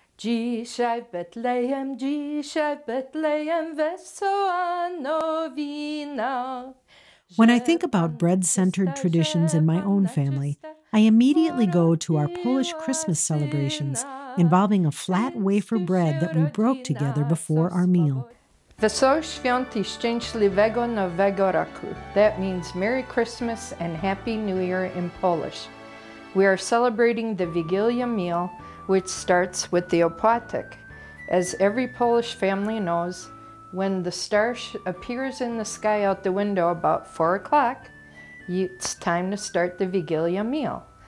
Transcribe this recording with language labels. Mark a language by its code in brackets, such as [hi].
[pl] Dzisiaj w Betlejem, dzisiaj w Betlejem, wesoła nowina. [en] When I think about bread-centered traditions in my own family, I immediately go to our Polish Christmas celebrations involving a flat wafer bread that we broke together before our meal. [pl] Wesołych Świąt I Szczęśliwego Nowego Roku. [en] That means Merry Christmas and Happy New Year in Polish. We are celebrating the Vigilia meal, which starts with the Opłatek. As every Polish family knows, when the star appears in the sky out the window about 4 o'clock, it's time to start the Vigilia meal.